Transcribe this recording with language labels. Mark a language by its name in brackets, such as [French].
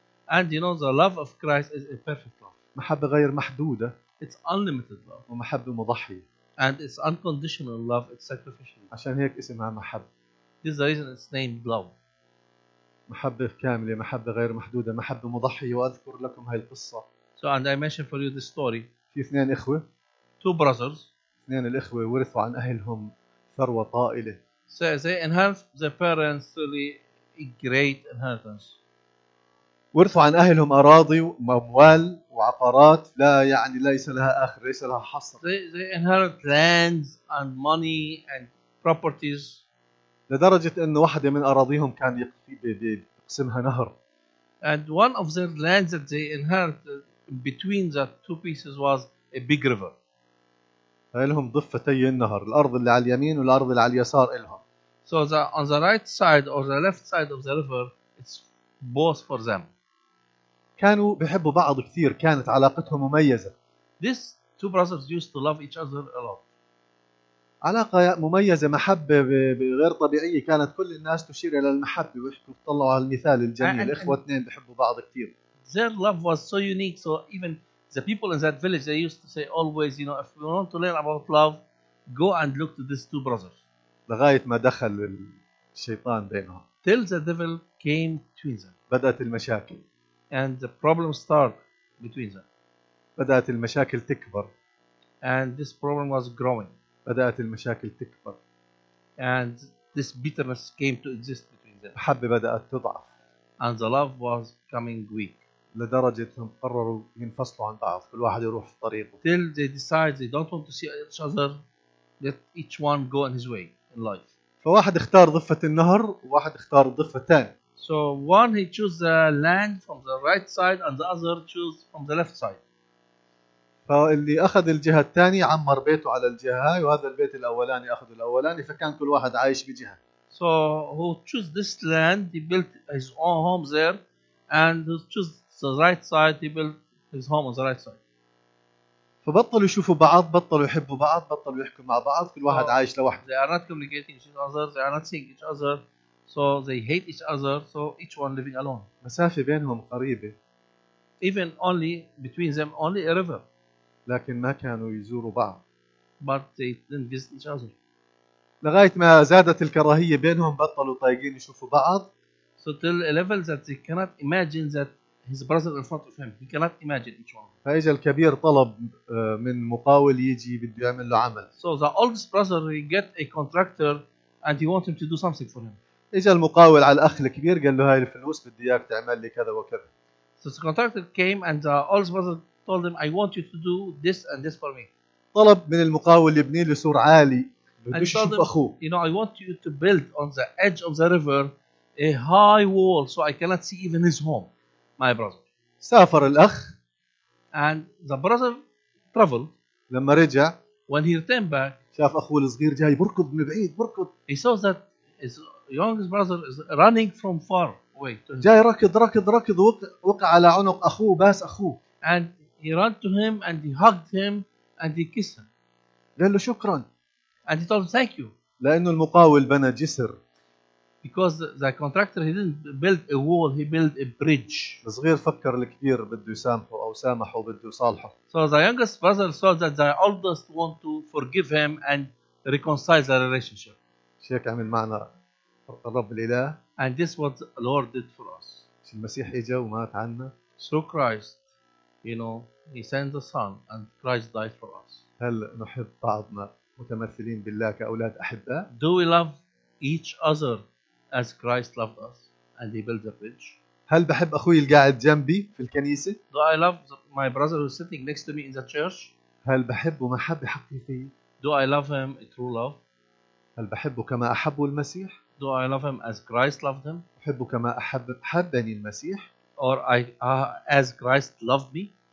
[English] And you know the love of Christ is a perfect love. [Arabic] محبة غير محدودة. [English] It's unlimited love. [Arabic] ومحبة مضحية. [English] And it's unconditional love. It's sacrificial. [Arabic] عشان هيك اسمها محبة. [English] This is the reason it's named love. [Arabic] محبة كاملة، محبة غير محدودة، محبة مضحية. وأذكر لكم هاي القصة. [English] So and I mentioned for you this story. [Arabic] في اثنين إخوة. [English] Two brothers. [Arabic] اثنين الإخوة ورثوا عن أهلهم ثروة طائلة. [English] So they inherited their parents really a great inheritance. [Arabic] ورثوا عن أهلهم أراضي وأموال وعقارات لا يعني ليس لها آخر ليس لها حصر. [English] They inherited lands and money and properties. [Arabic] لدرجة أن واحدة من أراضيهم كان يقسمها نهر. [English] And one of their lands that they inherited between the two pieces was a big river. [Arabic] لهم ضفتي النهر الأرض اللي على اليمين والأرض اللي على اليسار لهم. [English] So the, on the right side or the left side of the river it's both for them. [Arabic] كانوا بيحبوا بعض كثير كانت علاقتهم مميزة. [English] These two brothers used to love each other a lot. [Arabic] علاقة مميزة محبة غير طبيعية كانت كل الناس تشير إلى المحبة ويحكوا طلعوا على المثال الجميل إخوة اثنين بيحبوا بعض كثير. [English] Their love was so unique so even the people in that village they used to say always you know if you want to learn about love go and look to these two brothers. [Arabic] لغاية ما دخل الشيطان بينهم. [English] Till the devil came between them. [Arabic] بدأت المشاكل. [English] And the problem started between them. [Arabic] بدأت المشاكل تكبر. [English] And this problem was growing. [Arabic] بدأت المشاكل تكبر. [English] And this bitterness came to exist between them. [Arabic] الحب بدأت تضعف. [English] And the love was becoming weak. [Arabic] لدرجة أنهم قرروا ينفصلوا عن بعض كل واحد يروح في طريقه. [English] Till they decide they don't want to see each other, let each one go in his way in life. [Arabic] فواحد اختار ضفة النهر وواحد اختار ضفة تاني. [English] So one he chose the land from the right side and the other chose from the left side. [Arabic] فاللي أخذ الجهة الثانية عمر بيته على الجهة هاي وهذا البيت الأولاني أخذ الأولاني فكان كل واحد عايش بجهة. [English] So who chose this land he built his own home there and who chose the right side he built his home on the right side. [Arabic] فبطلوا يشوفوا بعض بطلوا يحبوا بعض بطلوا يحكوا مع بعض كل واحد عايش لوحده. [English] They are not communicating with each other. They are not seeing each other. So they hate each other. So each one living alone. [Arabic] مسافة بينهم قريبة. [English] Even only between them only a river. [Arabic] لكن ما كانوا يزوروا بعض. [English] But they didn't visit each other. [Arabic] لغاية ما زادت الكراهية بينهم بطلوا طايقين يشوفوا بعض. [English] So till a level that they cannot imagine that his brother in front of him. He cannot imagine each one. [Arabic] فإجا الكبير طلب من مقاول يجي بده يعمل له عمل. [English] So the oldest brother he get a contractor and he wants him to do something for him. [Arabic] إجا المقاول على الأخ الكبير قال له هاي الفلوس بدي إياك تعمل لي كذا وكذا. [English] So the contractor came and the oldest brother told him I want you to do this and this for me. [Arabic] طلب من المقاول يبني له سور عالي بده يشوف أخوه. [English] You know I want you to build on the edge of the river a high wall, so I cannot see even his home, my brother. [Arabic] سافر الأخ. [English] And the brother traveled. [Arabic] لما رجع. [English] When he returned back. [Arabic] شاف أخوه الصغير جاي بركض من بعيد بركض. [English] He saw that his youngest brother is running from far away. [Arabic] جاي ركض ركض ركض وقع على عنق أخوه باس أخوه. [English] And he ran to him and he hugged him and he kissed him. [Arabic] قال له شكرا. [English] And he told him thank you. [Arabic] لأنه المقاول بنى جسر. [English] Because the contractor he didn't build a wall, he built a bridge. [Arabic] الصغير فكر الكبير بده يسامحه أو سامحه بده يصالحه. [English] So the youngest brother saw that the oldest want to forgive him and reconcile the relationship. [Arabic] شيك عمل معنا الرب الإله. [English] And this was what the Lord did for us. [Arabic] المسيح إجا ومات عنا. [English] So Christ, you know, he sent the Son and Christ died for us. [Arabic] هل نحب بعضنا متمثلين بالله كأولاد أحبة؟ [English] Do we love each other as Christ loved us and he built a bridge? [Arabic] هل بحب أخوي القاعد جنبي في الكنيسة؟ [English] Do I love my brother who's sitting next to me in the church? [Arabic] هل بحبه محبة حقيقية؟ [English] Do I love him a true love? [Arabic] هل بحبه كما أحبه المسيح؟ [English] Do I love him as Christ loved him? [Arabic] أحبه كما أحبني المسيح؟ [English] Or as Christ loved me?